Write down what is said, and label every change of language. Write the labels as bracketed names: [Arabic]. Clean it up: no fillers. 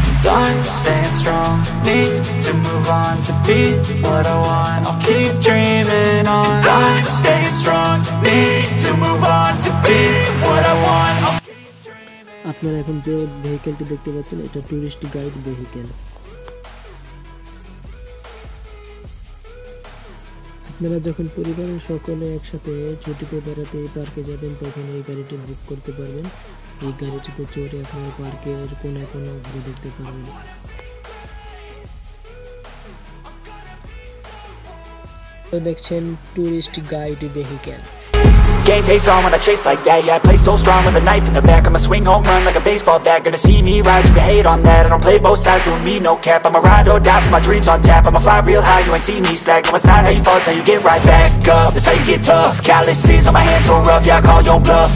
[English] Time to stand strong, need to move on to be what I want. I'll keep dreaming on. Time to stay strong, need to move on to be what I want. [Bangla] আপনারা এখন যে ভেহিকলটি দেখতে পাচ্ছেন এটা tourist guide vehicle. আপনারা যখন পরিবারের সকলে একসাথে ছুটিতে বেড়াতে এই পার্কে যাবেন তখন এই গাড়িটি বুক করতে পারবেন। এই গাড়িটিতে চড়ে আপনারা পার্কের কোনো কোনো ঘুরে দেখতে পারবেন। দেখছেন tourist guide vehicle. [English] game face on when I chase like that. Yeah, I play so strong with a knife in the back. I'ma swing home run like a baseball bat. Gonna see me rise, you can hate on that. I don't play both sides, doing me no cap. I'ma ride or die for my dreams on tap. I'ma fly real high, you ain't see me slack. No, it's not how you fall, it's how you get right back up. That's how you get tough. Calluses on my hands so rough, yeah, I call your bluff.